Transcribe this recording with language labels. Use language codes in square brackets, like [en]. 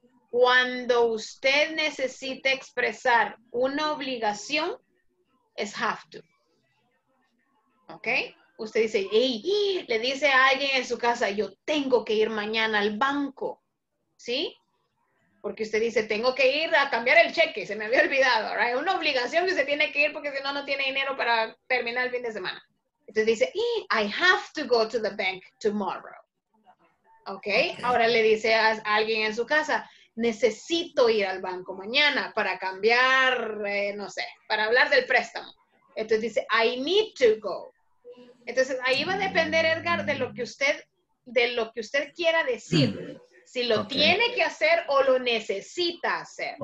[es] Cuando usted necesite expresar una obligación, es have to. ¿Ok? Usted dice, hey, le dice a alguien en su casa, yo tengo que ir mañana al banco. ¿Sí? Porque usted dice, tengo que ir a cambiar el cheque, se me había olvidado. ¿Right? Una obligación que se tiene que ir porque si no, no tiene dinero para terminar el fin de semana. Entonces dice, [en] I have to go to the bank tomorrow. Okay. [es] Ok, ahora le dice a alguien en su casa, necesito ir al banco mañana para cambiar, no sé, para hablar del préstamo. Entonces dice, [en] I need to go. [es] Entonces ahí va a depender, Edgar, de lo que usted quiera decir, si lo tiene que hacer o lo necesita hacer.